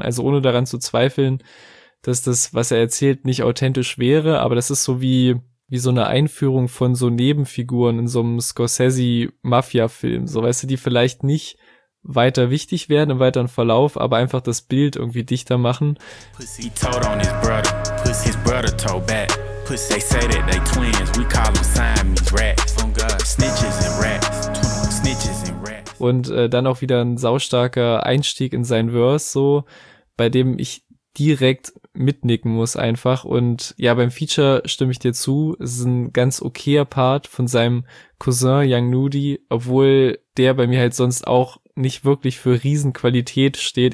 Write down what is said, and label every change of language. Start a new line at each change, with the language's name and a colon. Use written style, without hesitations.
German: Also ohne daran zu zweifeln, dass das, was er erzählt, nicht authentisch wäre. Aber das ist so wie so eine Einführung von so Nebenfiguren in so einem Scorsese-Mafia-Film. So, weißt du, die vielleicht nicht weiter wichtig werden im weiteren Verlauf, aber einfach das Bild irgendwie dichter machen.
English: Pussy told on his brother, pussy his brother told back. Pussy they say that they twins, we call them Siamese rats. Oh God, snitches and rats, snitches and rats.
German: Und dann auch wieder ein saustarker Einstieg in sein Verse, so, bei dem ich direkt mitnicken muss einfach. Und ja, beim Feature stimme ich dir zu, es ist ein ganz okayer Part von seinem Cousin Young Nudy, obwohl der bei mir halt sonst auch nicht wirklich für Riesenqualität steht.